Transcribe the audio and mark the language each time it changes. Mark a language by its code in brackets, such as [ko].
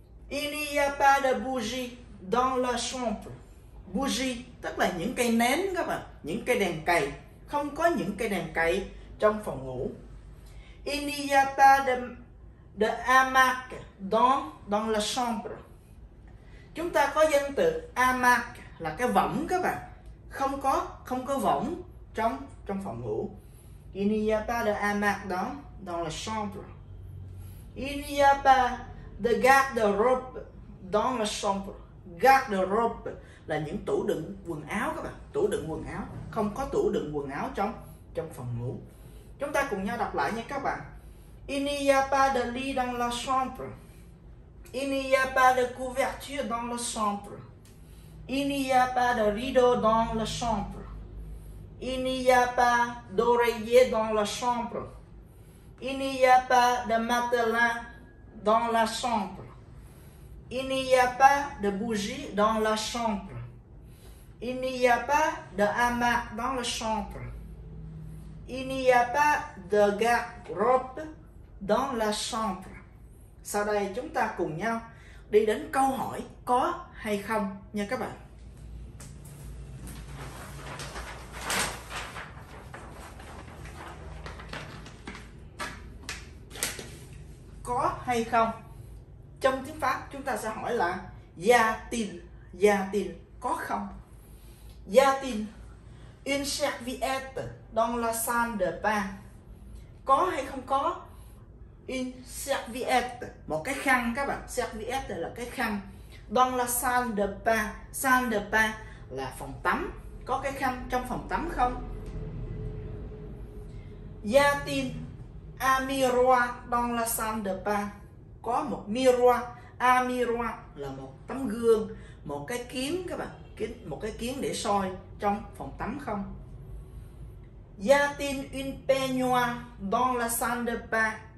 [fr] Il n'y a pas de bougie dans la chambre. [vi] Bougie tức là những cây nến các bạn, những cây đèn cầy. Không có những cây đèn cầy trong phòng ngủ. [fr] Il n'y a pas de hamac dans la chambre. [vi] Chúng ta có danh từ hamac là cái võng các bạn. Không có, không có võng trong trong phòng ngủ. [fr] Il n'y a pas de hamac dans la chambre. Il n'y a pas de garde-robe dans la chambre. [vi] Garde-robe là những tủ đựng quần áo các bạn, tủ đựng quần áo. Không có tủ đựng quần áo trong trong phòng ngủ. Chúng ta cùng nhau đọc lại nha các bạn. [fr] Il n'y a pas de lit dans la chambre. Il n'y a pas de couverture dans la chambre. Il n'y a pas de rideau dans la chambre. Il n'y a pas d'oreiller dans la chambre. Il n'y a pas de matelas dans la chambre. Il n'y a pas de bougie dans la chambre. Il n'y a pas de hamac dans la chambre. Il n'y a pas de garde-robe dans la chambre. [vi] Sau đây chúng ta cùng nhau đi đến câu hỏi có hay không nha các bạn. Có hay không? Trong tiếng Pháp chúng ta sẽ hỏi là [fr] y a-t-il? Y a-t-il? [vi] Có không? [fr] Y a-t-il une serviette dans la salle de bain? [vi] Có hay không có? Une serviette, một cái khăn các bạn. Serviette là cái khăn. [fr] Dans la salle de bain. Salle de bain [vi] là phòng tắm. Có cái khăn trong phòng tắm không? [fr] Y a-t-il un miroir dans la salle de bain? [vi] Có một miroir. Un miroir là một tấm gương, một cái kiếm các bạn, kính, một cái kiếm để soi trong phòng tắm không? [fr] Y a-t-il une peignoir dans la salle de bain?